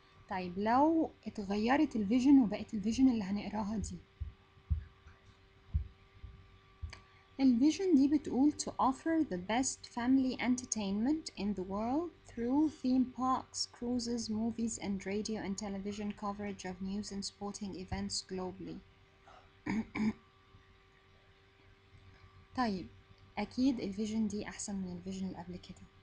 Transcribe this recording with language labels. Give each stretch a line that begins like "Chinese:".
Arabic: طيب لو اتغيرت الفيجن وبقت الفيجن اللي هنقراها دي. الفيجن دي بتقول
English: to offer the best family entertainment in the world through theme parks, cruises, movies and radio and television coverage of news and sporting events globally.
Arabic: طيب اكيد الفيجن دي احسن من الفيجن اللي قبل كده.